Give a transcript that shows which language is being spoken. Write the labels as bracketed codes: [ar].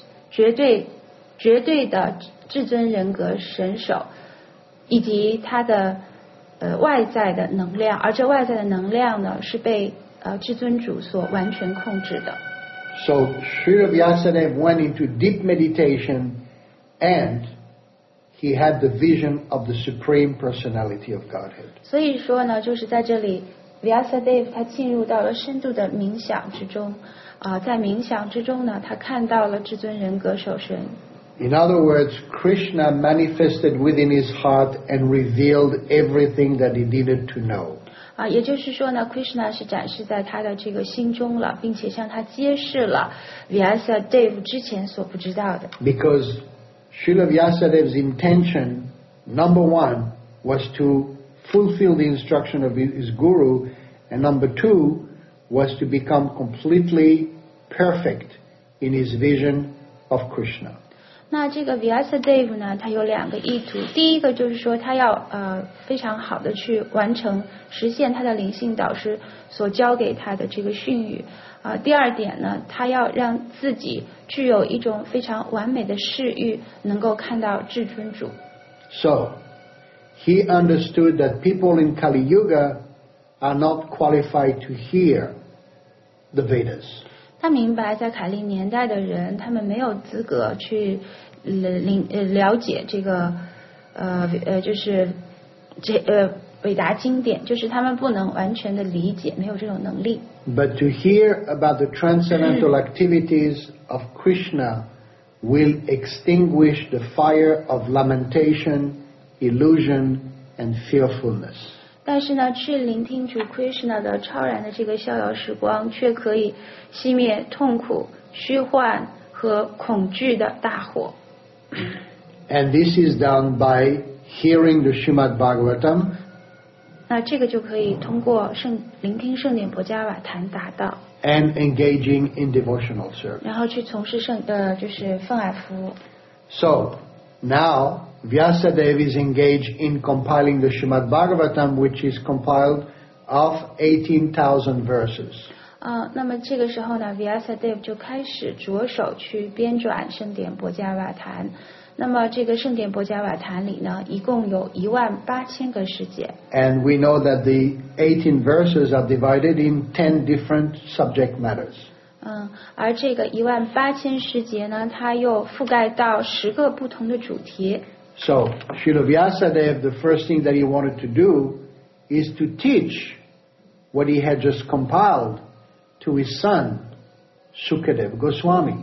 [zh] 绝对的至尊人格神手，以及他的外在的能量，而这外在的能量呢，是被至尊主所完全控制的。 [en] So Sri Vyasadeva went into deep meditation, and he had the vision of the Supreme Personality of Godhead. [zh] 所以说呢，就是在这里 ，Vyasadeva 他进入到了深度的冥想之中。在冥想之中呢，他看到了至尊人格首身。 [en] In other words, Krishna manifested within his heart and revealed everything that he needed to know. [zh] 也就是说呢 ，Krishna 是展示在他的这个心中了，并且向他揭示了 Vyasadeva 之前所不知道的。 [en] Because Srila Vyasadeva's intention, number one, was to fulfill the instruction of his guru, and number two. Was to become completely perfect in his vision of Krishna. [zh] 那这个 Vyasadeva 呢，他有两个意图。第一个就是说，他要非常好的去完成实现他的灵性导师所教给他的这个训谕。第二点呢，他要让自己具有一种非常完美的视域，能够看到至尊主。 [en] So he understood that people in Kali Yuga. Are not qualified to hear the Vedas. [zh] 他明白在卡利年代的人，他们没有资格去了解这个就是这伟达经典，就是他们不能完全的理解，没有这种能力。 [en] But to hear about the transcendental activities of Krishna will extinguish the fire of lamentation, illusion, and fearfulness. [zh] 但是呢，去聆听主 Krishna 的超然的这个逍遥时光，却可以熄灭痛苦、虚幻和恐惧的大火。 [en] And this is done by hearing the Srimad Bhagavatam. [zh] 那这个就可以通过聆听圣典婆伽瓦坛达到。 [en] And engaging in devotional service. [zh] 然后去从事就是奉爱服务。 [en] So now. Vyasadeva is engaged in compiling the Srimad Bhagavatam, which is compiled of 18,000 verses. [zh] 那么这个时候呢 ，Vyasadeva 就开始着手去编撰圣典婆伽瓦坛。那么这个圣典婆伽瓦坛里呢，一共有18,000个时节。 [en] And we know that the 18 verses are divided in 10 different subject matters. [zh] 而这个18,000时节呢，它又覆盖到10个不同的主题。 [en] So, Srila Vyasadeva, the first thing that he wanted to do is to teach what he had just compiled to his son, Sukadeva Goswami.